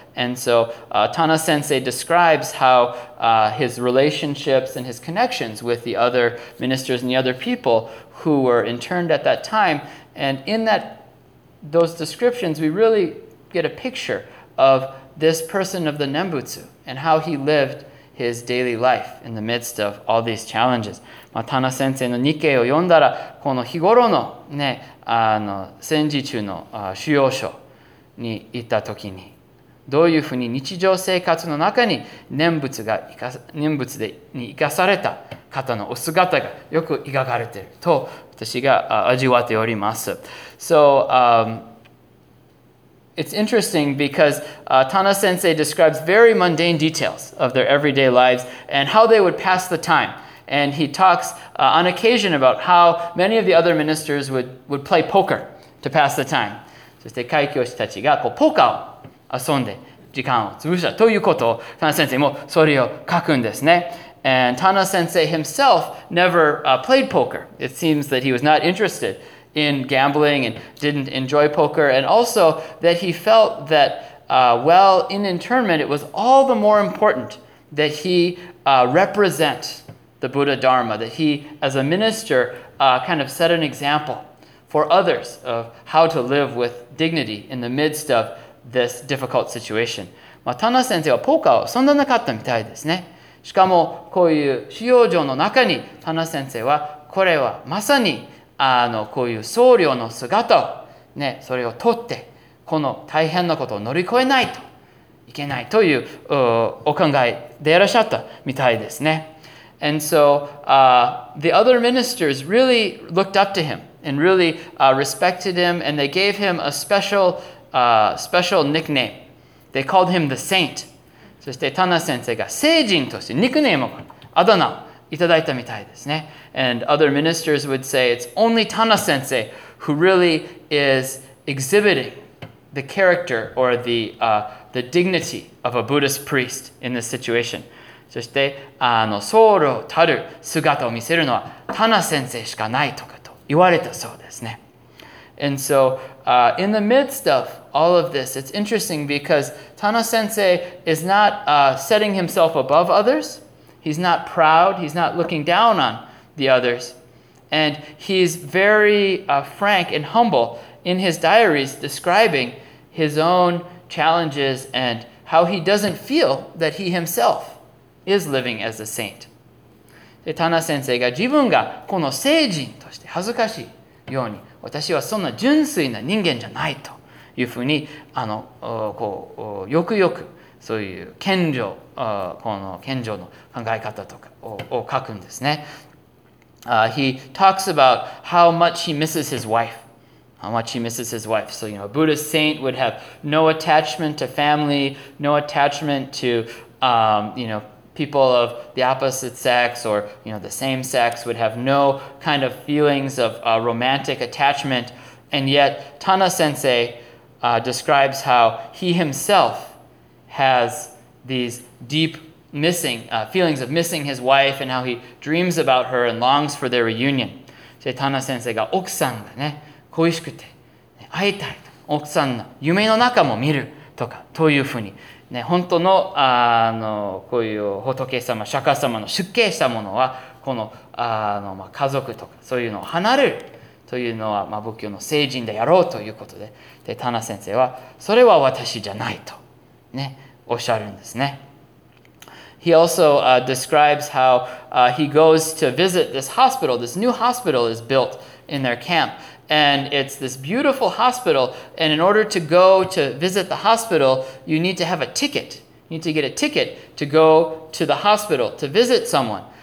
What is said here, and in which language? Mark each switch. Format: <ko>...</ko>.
<en>And so Tana-sensei describes how his relationships and his connections with the other ministers and the other people who were interned at that time. And in that, those descriptions, we really get a picture of this person of the Nembutsu and how he lived his daily life in the midst of all these challenges.</en> <ja>Tana-sensei の日記を読んだら、この日頃のね、あの戦時中の収容所に行った時に、どういうふうに日常生活の中に念仏に生かされた方のお姿がよく描かれていると私が味わっております。</ja> <en>So, it's interesting because Tana-sensei describes very mundane details of their everyday lives and how they would pass the time. And he talks on occasion about how many of the other ministers would play poker to pass the time.</en> <ja>そして会教師たちがこうポーカーを遊んで時間を潰したということを Tana-sensei もそれを書くんですね。</ja> <en>And Tana-sensei himself never played poker. It seems that he was not interested in gambling and didn't enjoy poker. And also that he felt that while in internment, it was all the more important that he represent the Buddha Dharma, that he as a minister kind of set an example for others of how to live with dignity in the midst of this difficult situation.</en> <ja>まあ、Tana-sensei はポーカーをそんななかったみたいですね。しかもこういう収容所の中に Tana-sensei はこれはまさにあのこういう僧侶の姿をね、それを取ってこの大変なことを乗り越えないといけないというお考えでいらっしゃったみたいですね。</ja> <en>And so the other ministers really looked up to him and really respected him, and they gave him a special nickname. They called him the saint.</en> <ja>そして Tana-sensei が聖人としてニックネームをあだ名をいただいたみたいですね。</ja> <en>And other ministers would say it's only Tana-sensei who really is exhibiting the character or the dignity of a Buddhist priest in this situation.</en> <ja>そして、あの、僧侶たる姿を見せるのは、タナ先生しかないとかと言われたそうですね。</ja> <en>And so, in the midst of all of this, it's interesting because Tana-sensei is not setting himself above others. He's not proud. He's not looking down on the others. And he's very frank and humble in his diaries describing his own challenges and how he doesn't feel that he himself is living as a saint.</en> <ja>で、Tana-sensei が自分がこの聖人として恥ずかしいように、私はそんな純粋な人間じゃないというふうに、あの、こう、よくよくそういう謙虚、この謙虚の考え方とかを書くんですね。</ja> <en>He talks about how much he misses his wife. How much he misses his wife. So, you know, a Buddhist saint would have no attachment to family, no attachment to, you know,people of the opposite sex or, you know, the same sex would have no kind of feelings of romantic attachment. And yet, Tana-sensei describes how he himself has these deep missing, feelings of missing his wife and how he dreams about her and longs for their reunion.</en> <ja>So, Tana-sensei が奥さんがね、恋しくて、会いたい、奥さんの夢の中も見るとか、というふうに、ね、本当の、あの、こういう仏様、釈迦様の出家したものは、この、あの、まあ、家族とか、そういうのを離れるというのは、まあ、仏教の聖人でやろうということで、で、Tana-sensei は、それは私じゃないと、ね、おっしゃるんですね。</ja> <en>He also describes how he goes to visit this hospital. This new hospital is built in their camp. And it's this beautiful hospital. And in order to go to visit the hospital, you need to have a ticket. You need to get a ticket to go to the hospital to visit someone.</en>